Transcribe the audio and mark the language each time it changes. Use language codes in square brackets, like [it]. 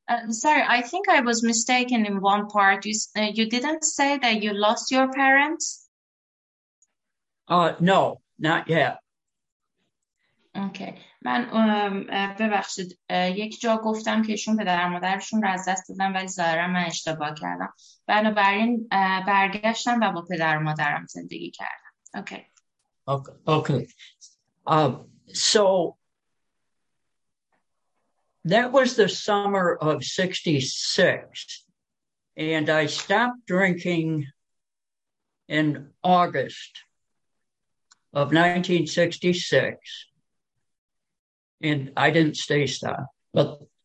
[en] Sorry, I think I was mistaken in one part. You didn't say that you lost your parents? No, not yet. Okay. [fa] من ببخشید یک جا گفتم که ایشون پدر مادرشون رو از دست دادن، ولی ظاهرا من اشتباه کردم. بنابراین برگشتم و با پدر مادرم زندگی کردم. [en] Okay. Okay. So that was the summer of 66 and I stopped drinking in August of 1966. And I didn't stay stopped, but